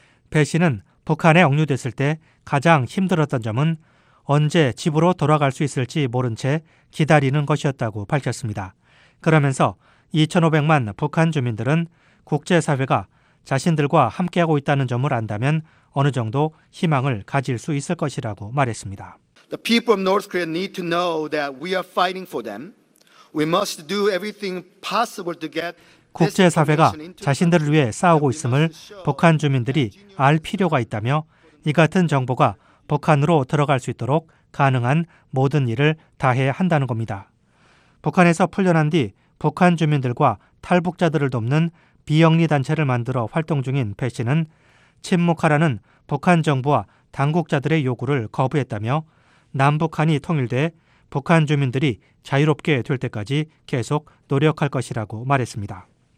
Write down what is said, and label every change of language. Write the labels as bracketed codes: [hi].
[ko] 배 씨는 북한에 억류됐을 때 가장 힘들었던 점은 언제 집으로 돌아갈 수 있을지 모른 채 기다리는 것이었다고 밝혔습니다. 그러면서 2,500만 북한 주민들은 국제사회가 자신들과 함께하고 있다는 점을 안다면 어느 정도 희망을 가질 수 있을 것이라고 말했습니다. [en] The people of North Korea need to know that we are fighting for them. We must do everything possible to get. [ko] 국제사회가 자신들을 위해 싸우고 있음을 북한 주민들이 알 필요가 있다며 이 같은 정보가 북한으로 들어갈 수 있도록 가능한 모든 일을 다해야 한다는 겁니다. 북한에서 풀려난 뒤 북한 주민들과 탈북자들을 돕는 비영리단체를 만들어 활동 중인 배 씨는 침묵하라는 북한 정부와 당국자들의 요구를 거부했다며 남북한이 통일돼 북한 주민들이 자유롭게 될 때까지 계속 노력할 것이라고 말했습니다.